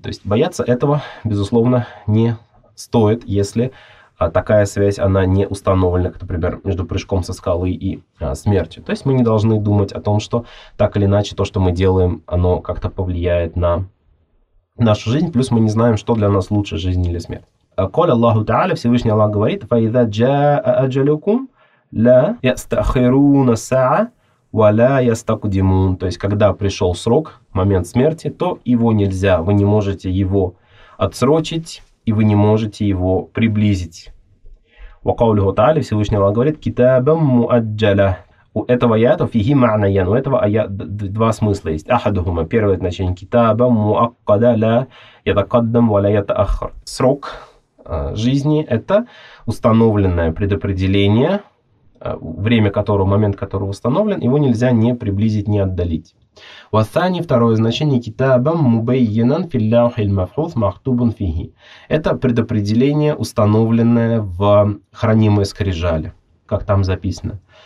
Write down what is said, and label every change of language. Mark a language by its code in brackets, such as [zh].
[ru] То есть бояться этого, безусловно, не стоит, если такая связь, она не установлена, как, например, между прыжком со скалы и смертью. То есть мы не должны думать о том, что так или иначе то, что мы делаем, оно как-то повлияет на нашу жизнь. Плюс мы не знаем, что для нас лучше, жизнь или смерть. [ar] قال الله تعالى [ru] Всевышний Аллах говорит: [ar] فإذا جاء أجلكم لا يستأخرون الساعة ولا يستقدمون. [ru] То есть когда пришел срок, момент смерти, то его нельзя, вы не можете его отсрочить и вы не можете его приблизить. [ar] وقال الله تعالى [ru] Всевышний Аллах говорит: [ar] كتابا مؤجلا. [ru] У этого аята [ar] فيه معنيان. [ru] У этого аята два смысла есть. [ar] أحدهما, [ru] первое значение: [ar] كتابا مؤقدا لا يتقدم ولا يتأخر. [ru] Срок жизни – это установленное предопределение, время которого, момент которого установлен, его нельзя ни приблизить, ни отдалить. [ar] В Асане [ru] второе значение [ar] – китабам мубейенан филляухил мафхуз махтубун фиги. [ru] Это предопределение, установленное в хранимой скрижали, как там записано.